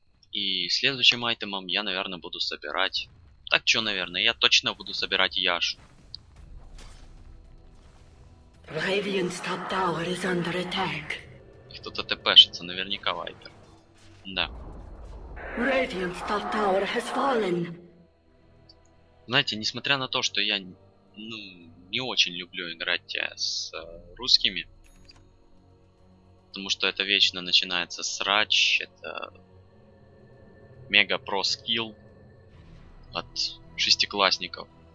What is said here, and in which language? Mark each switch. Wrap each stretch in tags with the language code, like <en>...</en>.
<ru>И следующим айтемом я, наверное, буду собирать... Так чё, наверное, я точно буду собирать Яшу.</ru> <en>Radiant's top tower is under attack.</en> <ru>Кто-то ТП-шится, наверняка Вайпер. Да.</ru> <en>Radiant's top tower has fallen.</en> <ru>Знаете, несмотря на то, что я, ну, не очень люблю играть с русскими, потому что это вечно начинается срач, это мега про скилл от шестиклассников.</ru>